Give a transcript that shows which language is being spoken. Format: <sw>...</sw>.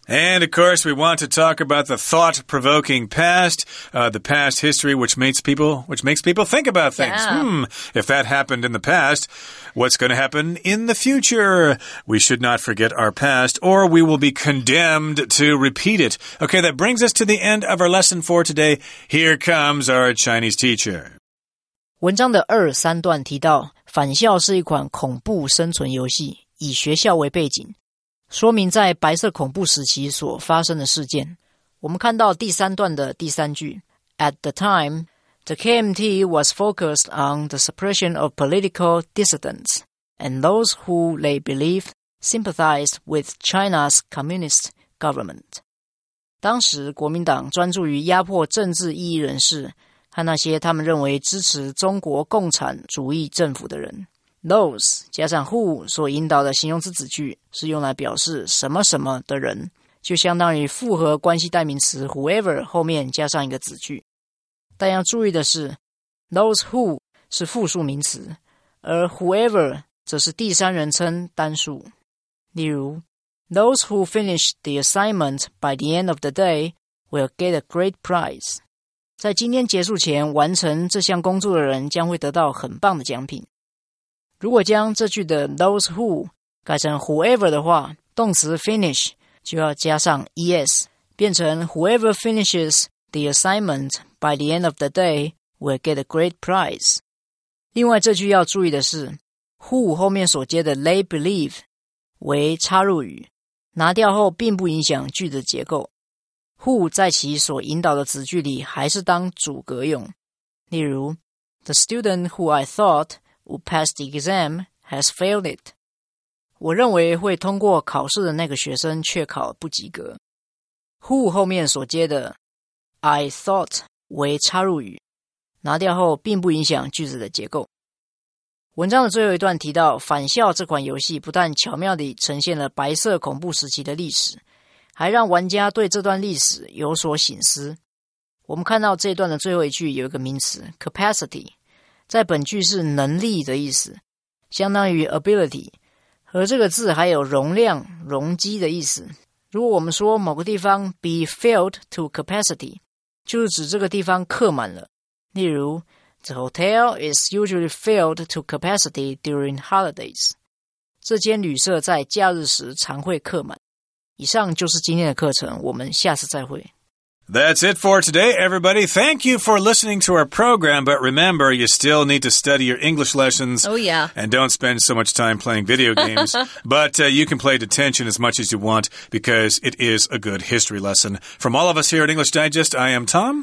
<en>And, of course, we want to talk about the thought-provoking past,、the past history which makes people think about things.、 Yeah. Hmm, if that happened in the past, what's going to happen in the future? We should not forget our past or we will be condemned to repeat it. Okay, that brings us to the end of our lesson for today. Here comes our Chinese teacher.</en> <zh>文章的二三段提到，返校是一款恐怖生存游戏，以学校为背景，说明在白色恐怖时期所发生的事件。我们看到第三段的第三句，</zh> <en>At the time, the KMT was focused on the suppression of political dissidents and those who they believed sympathized with China's communist government.</en> <zh>当时国民党专注于压迫政治异议人士和那些他们认为支持中国共产主义政府的人。 Those 加上 who 所引导的形容词子句是用来表示什么什么的人，就相当于复合关系代名词 whoever 后面加上一个子句。但要注意的是， Those who 是复数名词，而 whoever 则是第三人称单数。</zh> <en>例如Those who finish the assignment by the end of the day will get a great prize.</en> <zh>在今天结束前完成这项工作的人将会得到很棒的奖品。如果将这句的 those who 改成 whoever 的话，动词 finish 就要加上 es， 变成</zh> <en>whoever finishes the assignment by the end of the day will get a great prize.</en> <zh>另外这句要注意的是 who 后面所接的 they believe为插入语，拿掉后并不影响句子结构。 Who 在其所引导的子句里还是当主格用。</zh> <en>例如 The student who I thought would pass the exam has failed it.</en> <zh>我认为会通过考试的那个学生却考不及格。 Who 后面所接的 I thought 为插入语，拿掉后并不影响句子的结构。文章的最后一段提到，返校这款游戏不但巧妙地呈现了白色恐怖时期的历史，还让玩家对这段历史有所省思。我们看到这段的最后一句有一个名词 capacity， 在本句是能力的意思，相当于 ability， 而这个字还有容量容积的意思。如果我们说某个地方 be filled to capacity， 就是指这个地方客满了。</zh> <en>例如The hotel is usually filled to capacity during holidays.</en> <zh>这间旅社在假日时常会客满。以上就是今天的课程，我们下次再会。</zh> <en>That's it for today, everybody. Thank you for listening to our program, but remember, you still need to study your English lessons. Oh, yeah. And don't spend so much time playing video games. But、you can play detention as much as you want because it is a good history lesson. From all of us here at English Digest, I am Tom.</en>